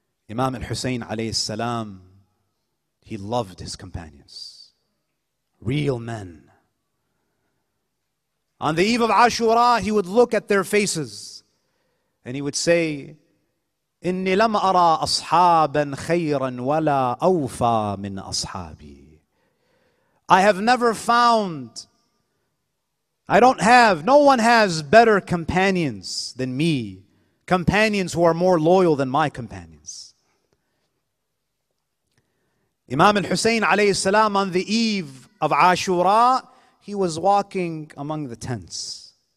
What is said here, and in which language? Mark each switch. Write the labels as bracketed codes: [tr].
[en] Imam al-Husayn alayhi salam, he loved his companions. Real men. On the eve of Ashura, he would look at their faces and he would say, [ar] إني لم أرى أصحابا خيرا ولا أوفى من أصحابي. [en] I have never found, I don't have, no one has better companions than me, companions who are more loyal than my companions. Imam al-Hussein alayhi salam, on the eve of Ashura, he was walking among the tents.